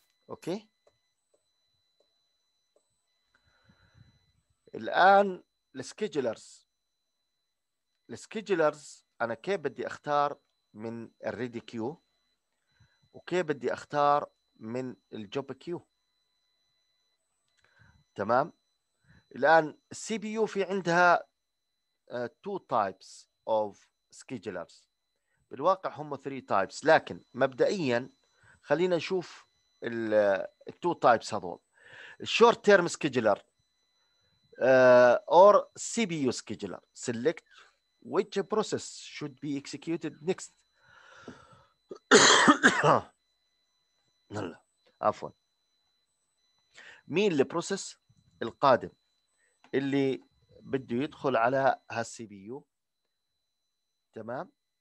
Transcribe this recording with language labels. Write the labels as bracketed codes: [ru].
[ar] أوكي، الآن السكيجلرز أنا كيف بدي أختار من الريدي كيو، وكيف بدي أختار من الجوب كيو؟ تمام. الآن السي بي يو في عندها [en] two types of schedulers، [ar] بالواقع هم three types، لكن مبدئياً خلينا نشوف ال two types هذول. [en] short term scheduler or CPU scheduler، select which process should be executed next. [ar] عفواً، مين البروسيس القادم اللي بده يدخل على هالسي بي يو؟ تمام،